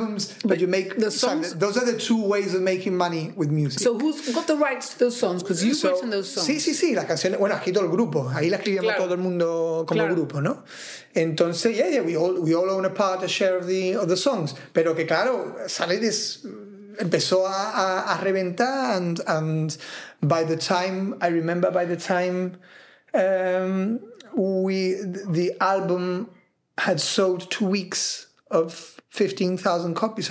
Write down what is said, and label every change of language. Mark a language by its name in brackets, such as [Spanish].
[English] you make money out of records, out of selling albums, but you make songs. Those are the two ways of making money with music. So who's got the rights to those songs? Because you've written those songs. [Spanish] Sí. La canción, bueno, aquí todo el grupo. Ahí la escribimos todo el mundo como grupo, ¿no? [English] Entonces, we all own a share of the songs. [Spanish] Pero que claro, sale [English] this, [Spanish] empezó a reventar, [English] and by the time, I remember by the time the album had sold 2 weeks of 15,000 copies.